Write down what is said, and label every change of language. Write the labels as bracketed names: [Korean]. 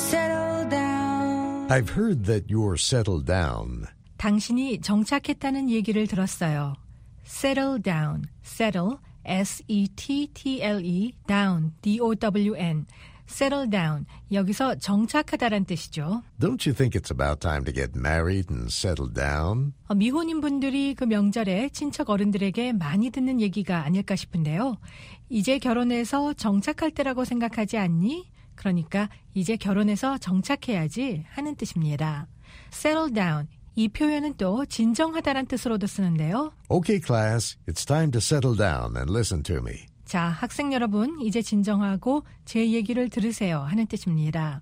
[English] I've heard that you're settled down. [Korean] 당신이 정착했다는 얘기를 들었어요. [English] Settle down. Settle, S-E-T-T-L-E, down, D-O-W-N. Settle down. [Korean] 여기서 정착하다란 뜻이죠. [English] Don't you think it's about time to get married and settle down? [Korean] 미혼인 분들이 그 명절에 친척 어른들에게 많이 듣는 얘기가 아닐까 싶은데요. 이제 결혼해서 정착할 때라고 생각하지 않니? 그러니까 이제 결혼해서 정착해야지 하는 뜻입니다. [English] Settle down. [Korean] 이 표현은 또 진정하다란 뜻으로도 쓰는데요. [English] Okay, class. It's time to settle down and listen to me. [Korean] 자, 학생 여러분, 이제 진정하고 제 얘기를 들으세요 하는 뜻입니다.